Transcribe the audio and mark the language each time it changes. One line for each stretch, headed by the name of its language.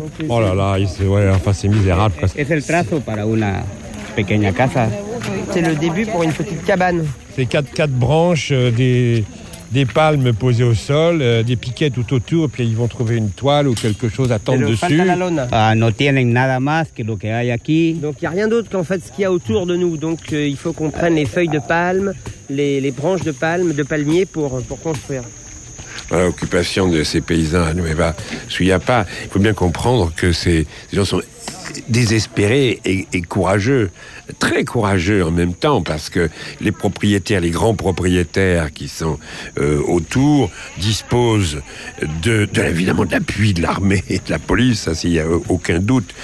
French: Oh là là, c'est, ouais, enfin, c'est misérable. C'est le
Spanish: trazo para una pequeña casa.
French: C'est le début pour une petite cabane. C'est quatre branches, des palmes posées au sol, des piquets tout autour, puis ils vont trouver une toile ou quelque chose à tendre dessus.
Spanish: No tienen nada más que lo que hay aquí.
French: Donc il n'y a rien d'autre qu'en fait ce qu'il y a autour de nous. Donc il faut qu'on prenne les feuilles de palme, les branches de palme, de palmiers pour construire. Voilà, l'occupation de ces paysans à Nueva Suyapa. Il faut bien comprendre que ces gens sont désespérés et courageux, très courageux en même temps, parce que les propriétaires, les grands propriétaires qui sont autour, disposent de évidemment de l'appui de l'armée et de la police, ça, s'il n'y a aucun doute.